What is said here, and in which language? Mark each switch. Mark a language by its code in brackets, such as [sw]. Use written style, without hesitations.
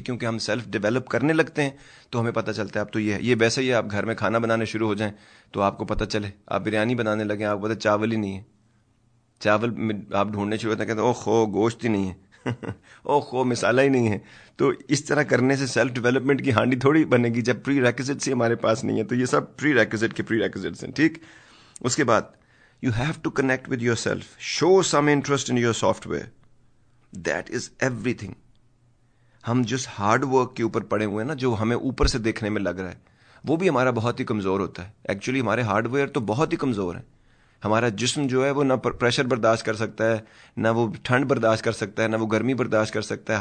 [hi] क्योंकि हम self develop करने लगते हैं तो हमें पता चलता है अब तो ये है। ये वैसे ही आप घर में खाना बनाने शुरू हो जाएं तो आपको पता चले, आप बिरयानी बनाने लगे आपको पता चावल ही नहीं है, चावल आप ढूंढने शुरू होते हैं कहते ओहो गोश्त ही नहीं है ओहो मसाला ही नहीं है। तो इस तरह करने से सेल्फ डेवलपमेंट की हांडी थोड़ी बनेगी जब प्रीरेक्विजिट्स ही हमारे पास नहीं है। तो ये सब प्रीरेक्विजिट के प्रीरेक्विजिट्स हैं। ठीक, उसके बाद [en] You have to connect with yourself. Show some interest in your software. That is everything. [hi] हम जिस हार्ड वर्क के ऊपर पड़े हुए हैं ना, जो हमें ऊपर से देखने में लग रहा है, वो भी हमारा बहुत ही कमजोर होता है। एक्चुअली हमारे हार्डवेयर तो बहुत ही कमजोर है। हमारा जिस्म जो है वो ना प्रेशर बर्दाश्त कर सकता है, ना वो ठंड बर्दाश्त कर सकता है, ना वो गर्मी बर्दाश्त कर सकता है।